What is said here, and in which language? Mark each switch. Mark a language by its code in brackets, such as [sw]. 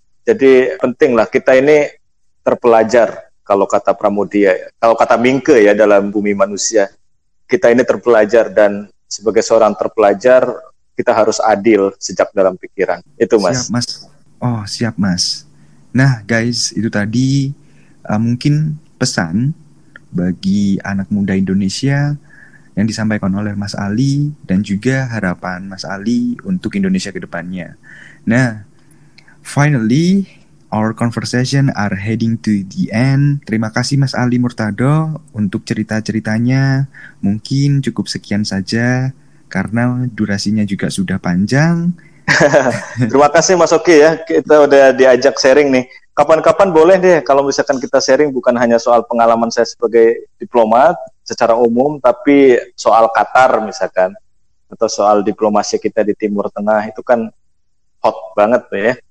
[id] Jadi pentinglah kita ini terpelajar, kalau kata Pramudia, kalau kata Mingke ya, dalam Bumi Manusia, kita ini terpelajar, dan sebagai seorang terpelajar kita harus adil sejak dalam pikiran. Itu, Mas. Siap, Mas. Oh, siap, Mas. Nah, guys, itu tadi mungkin pesan bagi anak muda Indonesia yang disampaikan oleh Mas Ali dan juga harapan Mas Ali untuk Indonesia ke depannya. [en] Nah, finally, our conversation are heading to the end. [id] Terima kasih Mas Ali Murtado untuk cerita-ceritanya. Mungkin cukup sekian saja karena durasinya juga sudah panjang. Terima kasih Mas Oki ya, kita udah diajak sharing nih. Kapan-kapan boleh deh kalau misalkan kita sharing bukan hanya soal pengalaman saya sebagai diplomat secara umum, tapi soal Qatar misalkan, atau soal diplomasi kita di Timur Tengah, itu kan hot banget ya.